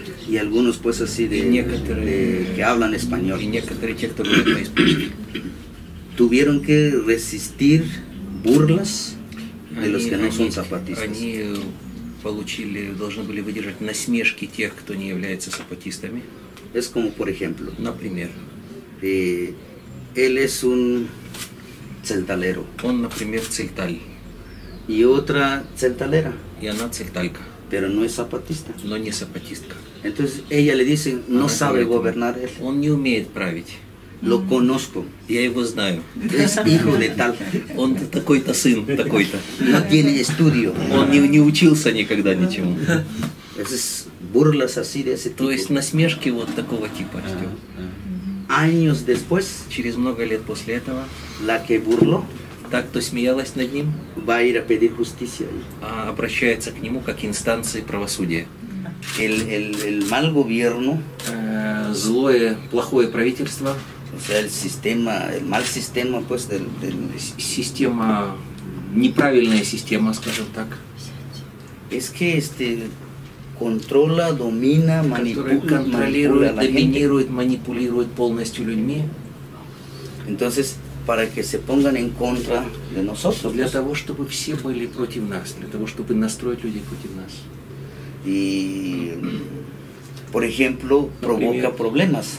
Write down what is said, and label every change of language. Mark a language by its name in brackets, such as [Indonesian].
[Spanish] Y algunos pues así de que hablan español. [Russian] Y некоторые те, кто говорит на испанском. [Spanish] Tuvieron que resistir burlas de los que no son zapatistas. [Russian] Они получили, должны были выдержать насмешки тех, кто не является сапатистами. [Spanish] Es como por ejemplo. [Russian] Например. [Spanish] Él es un tzeltalero. [Russian] Он, например, tzeltal. [Spanish] Y otra tzeltalera. [Russian] Y она tzeltalka. [Spanish] Pero no es zapatista. [Russian] Но не zapatistka. [Spanish] Entonces ella le dice, no sabe gobernar él. [Russian] Он не умеет править. [Spanish] Lo conozco. [Russian] Я его знаю. [Spanish] Es hijo de tal. [Russian] Он такой-то сын, такой-то. [Spanish] No tiene estudio. [Russian] Он не учился никогда ничему. [Spanish] Es burlas así de ese tipo. [Russian] То есть насмешки вот такого типа. [Spanish] Años después. [Russian] Через много лет после этого. [Spanish] La que burló. [Russian] Та, кто смеялась над ним. [Spanish] Va a ir a pedir justicia. [Russian] Обращается к нему как инстанции правосудия. [Spanish] El mal gobierno. [Russian] Злое, плохое правительство. [Spanish] O sea, el sistema, el mal sistema, pues, del... [Russian] Система, неправильная система, скажем так. [Spanish] Es que controla, domina, manipula, [Russian] контролирует, доминирует, манипулирует полностью людьми. [Spanish] Entonces, para que se pongan en contra de nosotros. [Russian] Для того, чтобы все были против нас, для того, чтобы настроить людей против нас. И, [Spanish] por ejemplo, provoca problemas.